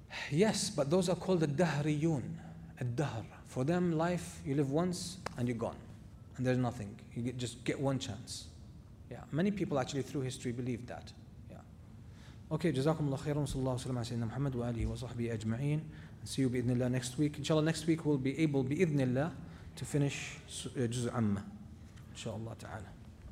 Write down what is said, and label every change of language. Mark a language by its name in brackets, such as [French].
[English] Yes, but those are called the Dahriyun, Ad-Dahr. For them, life, you live once and you're gone. And there's nothing. You get, just get one chance. Yeah. Many people actually through history believed that. Yeah. [Arabic] Okay, جزاكم الله خيرا وصلى الله وسلم على سيدنا محمد وآله وصحبه أجمعين. [English] See you [Arabic] بإذن الله [English] next week. Inshallah, next week we'll be able [Arabic] بإذن الله [English] to finish [Arabic] جزء عمّة. إن شاء الله تعالى.